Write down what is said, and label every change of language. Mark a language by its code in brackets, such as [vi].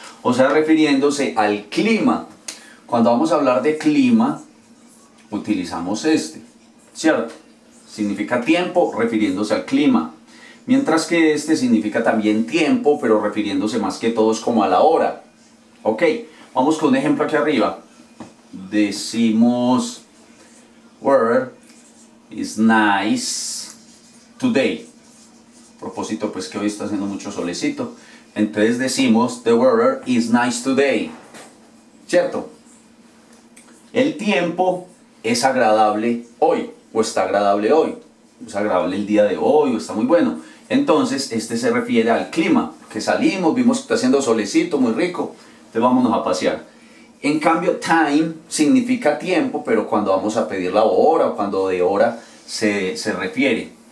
[es] O sea, refiriéndose al clima. Cuando vamos a hablar de clima, utilizamos este, ¿cierto? Significa tiempo refiriéndose al clima. Mientras que este significa también tiempo, pero refiriéndose más que todo es como a la hora. Ok, vamos con un ejemplo aquí arriba. Decimos, [en] weather is nice today. [es] A propósito, pues que hoy está haciendo mucho solecito. Entonces decimos, [en] the weather is nice today. [es] ¿Cierto? El tiempo es agradable hoy. O está agradable hoy, es agradable el día de hoy, o está muy bueno. Entonces, este se refiere al clima, que salimos, vimos que está haciendo solecito, muy rico, entonces vámonos a pasear. En cambio, time significa tiempo, pero cuando vamos a pedir la hora, o cuando de hora se refiere.